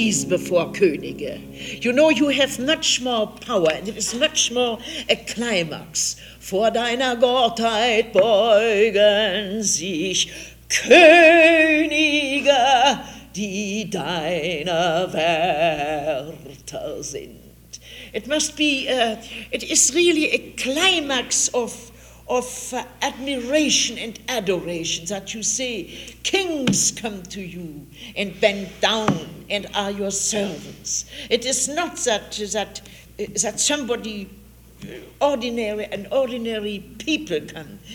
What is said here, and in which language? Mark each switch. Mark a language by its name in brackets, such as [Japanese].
[English] Before Könige. You know, you have much more power, and it is much more a climax. [German] Vor deiner Gottheit beugen sich Könige, die deine Wärter sind. [English] It must be, it is really a climax of admiration and adoration that you say, kings come to you and bend down and are your servants. It is not that somebody ordinary and ordinary people come.